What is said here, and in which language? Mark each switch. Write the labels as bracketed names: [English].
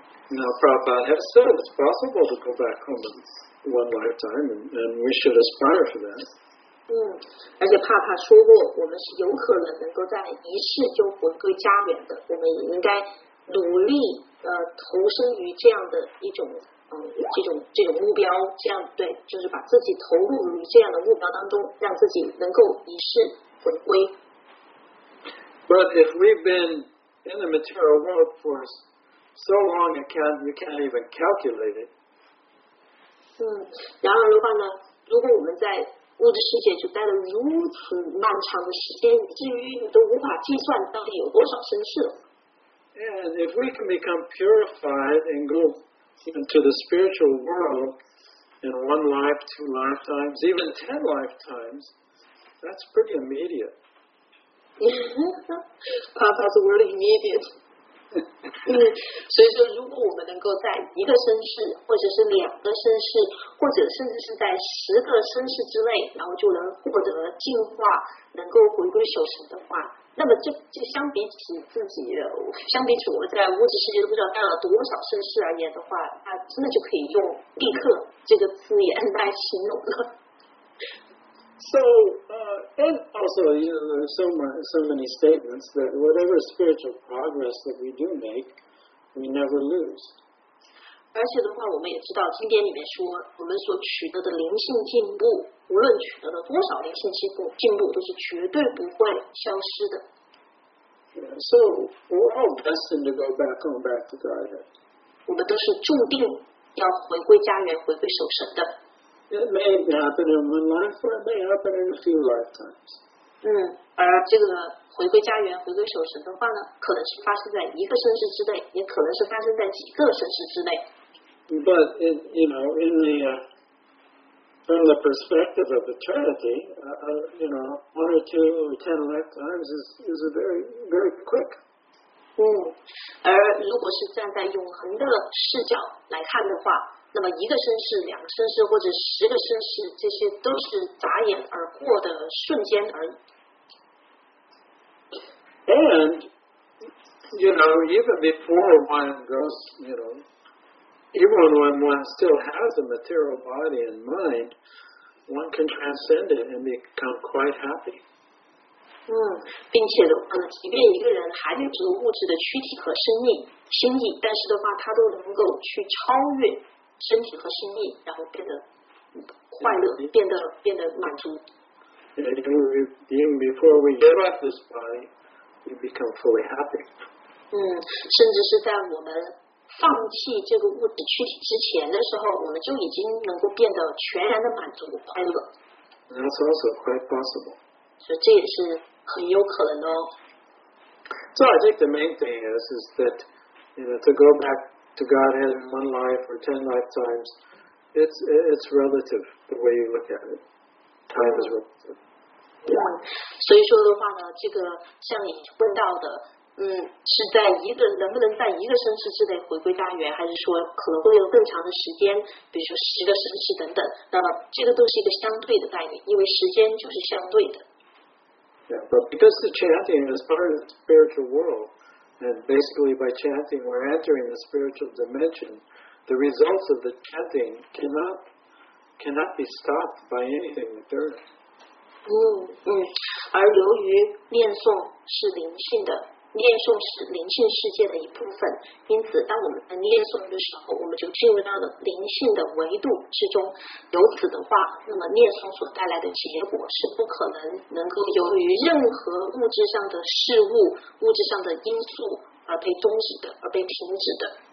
[English] Now Prabhupada has said it's possible to go back home in one lifetime, and we should aspire for that. [Chinese] 而且帕帕说过，我们是有可能能够在一世就回归家园的。我们也应该努力，投身于这样的一种，这种目标，这样对，就是把自己投入于这样的目标当中，让自己能够一世回归。 [English] But if we've been in the material world for so long, you can't even calculate it. [Chinese] 然而的话呢，如果我们在物质世界就待了如此漫长的时间，至于你都无法计算到底有多少生世了。 [English] And if we can become purified and go into the spiritual world in one life, two lifetimes, even 10 lifetimes, that's pretty immediate. Papa's word immediate. [Chinese] 所以说如果我们能够在一个生世或者是两个生世或者甚至是在十个生世之内然后就能获得净化能够回归守成的话那么 这相比起自己相比起我在物质世界都不知道待了多少生世而言的话那真的就可以用立刻这个字眼来形容了 [English] So And also, you know, there are so many statements that whatever spiritual progress that we do make, we never lose. [Chinese] 而且的话，我们也知道经典里面说，我们所取得的灵性进步，无论取得了多少灵性进步，都是绝对不会消失的。 [English] So we're all destined to go back home, back to Godhead. [Chinese] 我们都是注定要回归家园，回归守神的。 [English] It may happen in one life, or it may happen in a few lifetimes. [Chinese] 而这个回归家园、回归守神的话呢，可能是发生在一个生世之内，也可能是发生在几个生世之内。 [English] But in, you know, in the from the perspective of eternity, you know, one or two or ten lifetimes is a very very quick. [Chinese] 而如果是站在永恒的视角来看的话。那么一个生世、两个生世或者十个生世，这些都是眨眼而过的瞬间而已。 [English] And you know, even before one goes, you know, even when one still has a material body and mind, one can transcend it and become quite happy. [Chinese] 并且的话呢，即便一个人还在这个物质的躯体和生命心理，但是的话，他都能够去超越身体和心理，然后变得快乐，变得满足。 [English] Even before we give up this body, we become fully happy. [Chinese] 甚至是在我们放弃这个物质躯体之前的时候，我们就已经能够变得全然的满足快乐。 [English] That's also quite possible. [Chinese] 所以这也是很有可能的哦。 [English] So I think the main thing is that, you know, to go back to Godhead in one life or 10 lifetimes, it's relative the way you look at it. Time is relative. Yeah. [Chinese] 所以说的话呢，这个像你问到的，是在一个能不能在一个生世之内回归大圆，还是说可能会有更长的时间，比如说十个生世等等，那么这个都是一个相对的概念，因为时间就是相对的。 [English] Yeah, but because the chanting is part of the spiritual world, and basically by chanting we're entering the spiritual dimension, the results of the chanting cannot be stopped by anything material. [Chinese] 而由于念诵是灵性的，念诵是灵性世界的一部分，因此当我们在念诵的时候，我们就进入到了灵性的维度之中。由此的话，那么念诵所带来的结果是不可能能够由于任何物质上的事物、物质上的因素而被终止的，而被停止的。